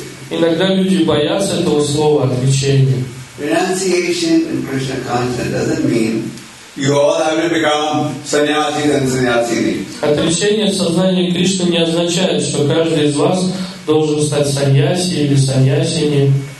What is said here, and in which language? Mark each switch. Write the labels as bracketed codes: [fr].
[ru] Иногда люди боятся этого слова отречения. [en] Renunciation in Krishna consciousness doesn't mean you all have to become sannyasis and sannyasini. [ru] Отречение в сознании Кришны не означает, что каждый из вас должен стать саньяси или саньясини.